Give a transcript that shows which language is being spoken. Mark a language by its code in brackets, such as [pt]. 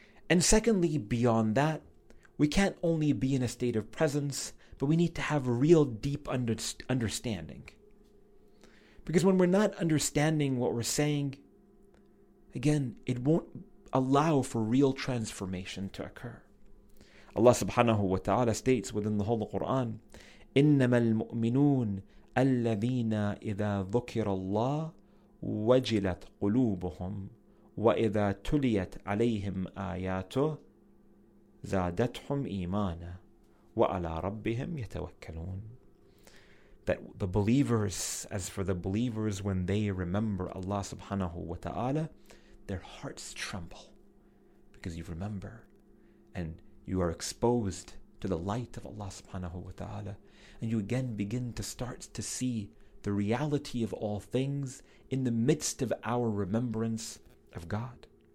[en] And secondly, beyond that, we can't only be in a state of presence, but we need to have a real deep understanding. Because when we're not understanding what we're saying, again, it won't allow for real transformation to occur. Allah subhanahu wa ta'ala states within the whole Quran, [ar] إِنَّمَا الْمُؤْمِنُونَ الَّذِينَ إِذَا ذُكِرَ اللَّهُ وَجِلَتْ قُلُوبُهُمْ وَإِذَا تُلِيَتْ عَلَيْهِمْ آيَاتُهُ زَادَتْهُمْ إِيمَانًا وَعَلَىٰ رَبِّهِمْ يَتَوَكَّلُونَ. [en] That the believers, as for the believers, when they remember Allah subhanahu wa ta'ala, their hearts tremble because you remember and you are exposed to the light of Allah subhanahu wa ta'ala. And you again begin to start to see the reality of all things in the midst of our remembrance of God.